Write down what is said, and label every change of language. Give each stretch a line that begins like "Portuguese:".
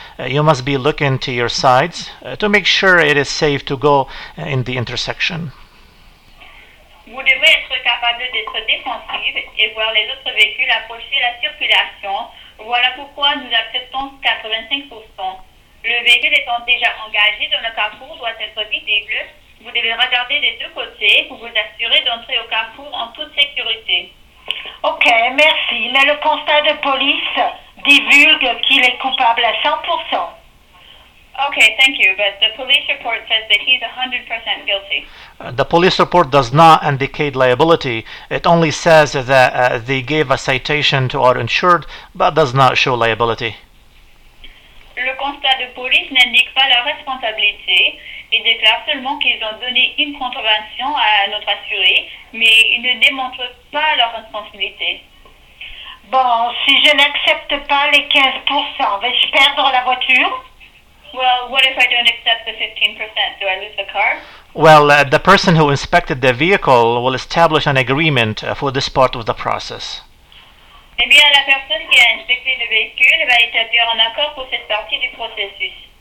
English: You must be looking to your sides to make sure it is safe to go in the intersection.
French: Vous devez être capable d'être défensive et voir les autres véhicules approcher la circulation. Voilà pourquoi nous acceptons 85%. Le véhicule étant déjà engagé dans le carrefour doit être visible. Vous devez regarder des deux côtés pour vous assurer d'entrer au carrefour en toute sécurité. Ok, merci. Mais le constat de police divulgue qu'il est coupable à 100%.
English: Ok, thank you. But the police report says that he's 100% guilty. The police report does not indicate liability. It only says that they gave a citation to our insured, but does not show liability.
French: Le constat de police n'indique pas la responsabilité et déclare seulement qu'ils ont donné une contravention à notre assuré, mais ils ne démontrent pas leur responsabilité. Bon, si je n'accepte pas les 15%, vais-je perdre la voiture?
English: Well, what if I don't accept the 15%? Do I lose the car? Well, the person who inspected the vehicle will establish an agreement for this part of the process.
French: Eh bien, la personne qui a inspecté le véhicule va établir un accord pour cette partie du processus.